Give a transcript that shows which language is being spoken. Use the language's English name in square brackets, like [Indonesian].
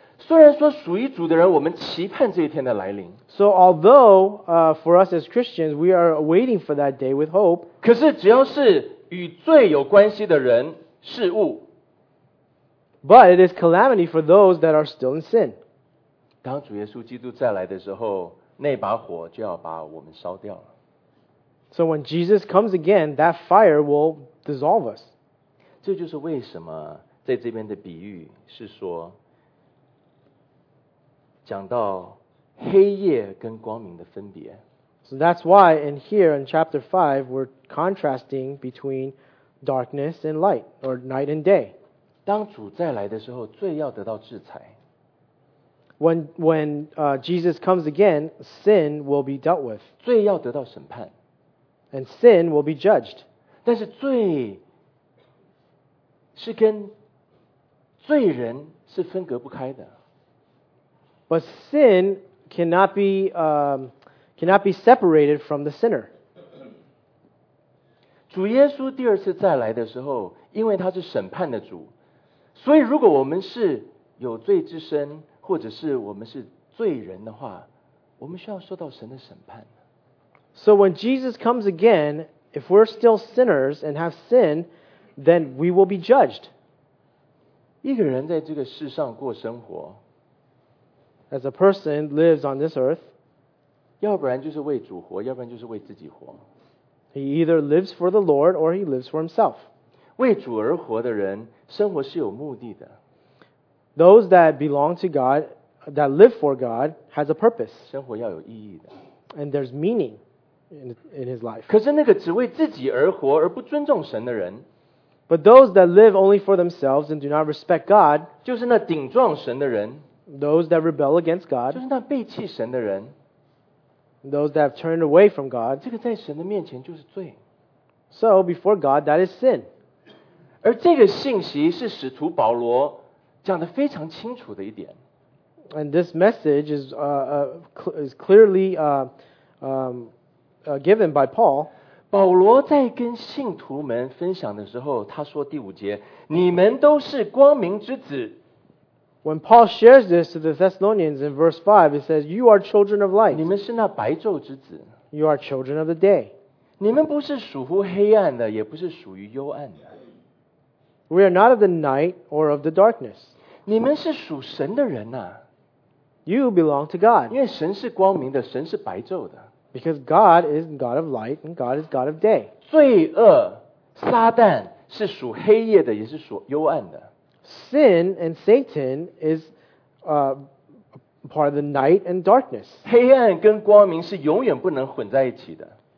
[Chinese] 虽然说属于主的人，我们期盼这一天的来临。 [English] So although for us as Christians, we are waiting for that day with hope. [Chinese] 可是只要是与罪有关系的人事物 [English] But it is calamity for those that are still in sin. [Chinese] 当主耶稣基督再来的时候，那把火就要把我们烧掉了。 [English] So when Jesus comes again, that fire will dissolve us. [Chinese] 这就是为什么在这边的比喻是说，讲到黑夜跟光明的分别。 [English] So that's why in here in chapter 5, we're contrasting between darkness and light, or night and day. [Chinese] 当主再来的时候，罪要得到制裁。 [English] When Jesus comes again, sin will be dealt with. [Chinese] 罪要得到审判。 [English] And sin will be judged. [Chinese] 但是罪是跟罪人是分隔不开的。 [English] But sin cannot be separated from the sinner. [Chinese] 主耶稣第二次再来的时候，因为他是审判的主，所以如果我们是有罪之身，或者是我们是罪人的话，我们需要受到神的审判。 [English] So when Jesus comes again, if we're still sinners and have sin, then we will be judged. [Chinese] 一个人在这个世上过生活， [English] as a person lives on this earth, [Chinese] 要不然就是为主活，要不然就是为自己活。 [English] He either lives for the Lord or he lives for himself. [Chinese] 为主而活的人，生活是有目的的。 [English] Those that belong to God, that live for God, has a purpose. [Chinese] 生活要有意义的。 [English] And there's meaning in his life. [Chinese] 可是那个只为自己而活而不尊重神的人， [English] But those that live only for themselves and do not respect God, [Chinese] 就是那顶撞神的人， [English] Those that rebel against God, [Chinese] 就是那背弃神的人， [English] Those that have turned away from God, [Chinese] 这个在神的面前就是罪。 [English] So before God, that is sin. [Chinese] 而这个信息是使徒保罗讲得非常清楚的一点。 [English] And this message is clearly given by Paul. [Chinese] 保罗在跟信徒们分享的时候，他说第五节，你们都是光明之子。 [English] When Paul shares this to the Thessalonians in verse 5, he says, You are children of light. [Chinese] 你们是那白昼之子。 [English] You are children of the day. [Chinese] 你们不是属乎黑暗的，也不是属于幽暗的。 [English] We are not of the night or of the darkness. [Chinese] 你们是属神的人啊。 [English] You belong to God. [Chinese] 因为神是光明的，神是白昼的。 [English] Because God is God of light and God is God of day. [Chinese] 罪恶，撒旦是属黑夜的，也是属幽暗的。 [English] Sin and Satan is part of the night and darkness. [Chinese] 黑暗跟光明是永远不能混在一起的。